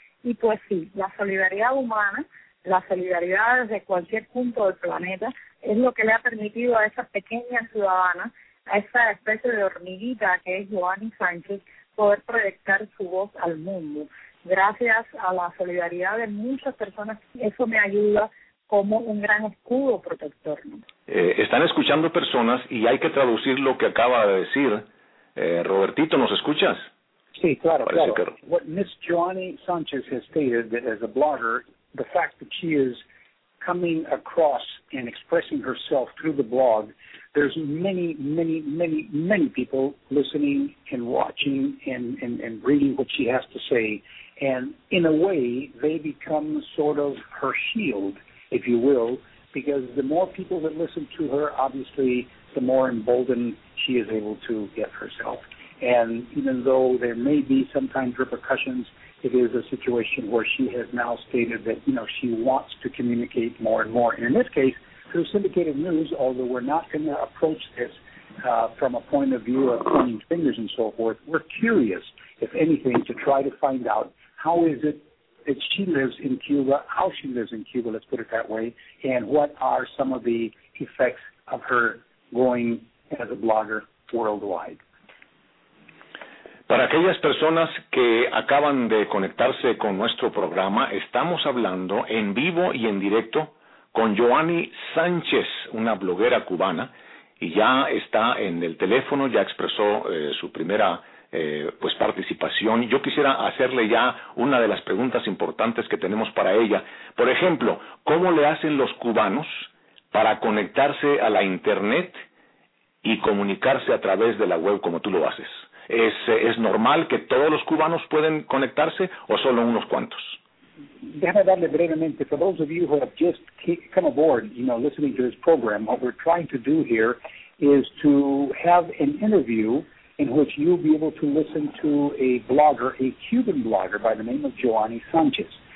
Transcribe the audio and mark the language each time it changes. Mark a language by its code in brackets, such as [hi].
[es] Y pues sí, la solidaridad humana, la solidaridad desde cualquier punto del planeta, es lo que le ha permitido a esa pequeña ciudadana, a esa especie de hormiguita que es Joanny Sánchez, poder proyectar su voz al mundo. Gracias a la solidaridad de muchas personas, eso me ayuda como un gran escudo protector. Están escuchando personas y hay que traducir lo que acaba de decir. Robertito, ¿nos escuchas? Sí, claro. Parece claro. Que... [en] What Miss Joanny Sánchez has stated that as a blogger, the fact that she is coming across and expressing herself through the blog, there's many, many, many, many people listening and watching and reading what she has to say. And in a way, they become sort of her shield, if you will, because the more people that listen to her, obviously, the more emboldened she is able to get herself. And even though there may be sometimes repercussions, it is a situation where she has now stated that, you know, she wants to communicate more and more. And in this case, through syndicated news, although we're not going to approach this from a point of view of pointing fingers and so forth, we're curious, if anything, to try to find out how is it that she lives in Cuba, how she lives in Cuba, let's put it that way, and what are some of the effects of her going as a blogger worldwide. [es] Para aquellas personas que acaban de conectarse con nuestro programa, estamos hablando en vivo y en directo con Joanny Sánchez, una bloguera cubana, y ya está en el teléfono, ya expresó su primera pues participación. Yo quisiera hacerle ya una de las preguntas importantes que tenemos para ella. Por ejemplo, ¿cómo le hacen los cubanos para conectarse a la internet y comunicarse a través de la web como tú lo haces? ¿Es normal que todos los cubanos pueden conectarse o solo unos cuantos? Déjame darle brevemente, [en] for those of you who have just come aboard, you know, listening to this program, what we're trying to do here is to have an interview in which you'll be able to listen to a blogger, a Cuban blogger by the name of Joanny Sánchez.